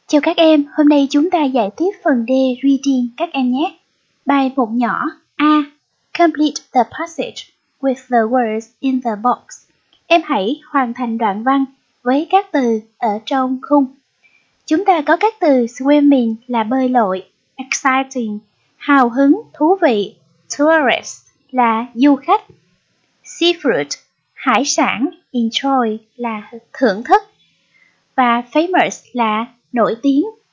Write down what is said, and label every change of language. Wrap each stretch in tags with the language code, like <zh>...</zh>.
<vi>Chào các em, hôm nay chúng ta giải tiếp phần D reading các em nhé. Bài 1 nhỏ A.</vi> <en>Complete the passage with the words in the box.</en> <vi>Em hãy hoàn thành đoạn văn với các từ ở trong khung. Chúng ta có các từ swimming là bơi lội, exciting, hào hứng, thú vị, tourist là du khách, seafood, hải sản, enjoy là thưởng thức, và famous là nổi tiếng.</vi>